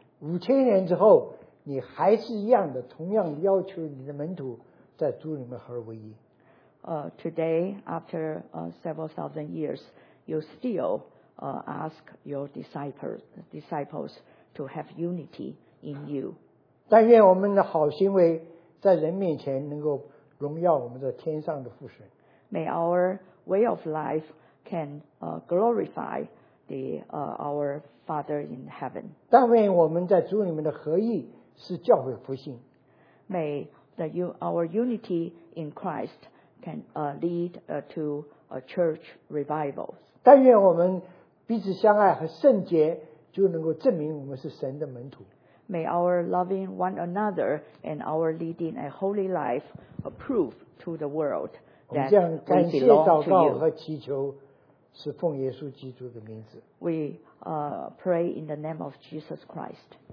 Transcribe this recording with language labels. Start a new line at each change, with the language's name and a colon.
Chinese: 五千年之后，你还是一样的，同样要求你的门徒在主里面合而为一。
English: Today, after several thousand years, you still ask your disciples to have unity in you.
Chinese: 但愿我们的好行为在人面前能够荣耀我们的天上的父神。
English: May our way of life can glorify our Father in heaven.
Chinese: 但愿我们在主里面的合一是教会复兴。
English: May our unity in Christ can lead to a church revival.
Chinese: 但愿我们彼此相爱和圣洁就能够证明我们是神的门徒。
English: May our loving one another and our leading a holy life prove to the world that we belong to you.
Chinese: 我们这样感谢祷告和祈求是奉耶稣基督的名字。
English: We pray in the name of Jesus Christ.